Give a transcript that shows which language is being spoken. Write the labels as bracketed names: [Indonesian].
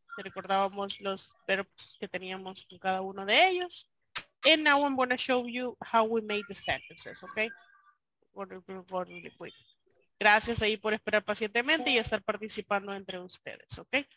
[Spanish] Recordábamos los verbos que teníamos con cada uno de ellos. [English] And now I'm going to show you how we made the sentences, okay? [Spanish] Gracias ahí por esperar pacientemente y estar participando entre ustedes, okay?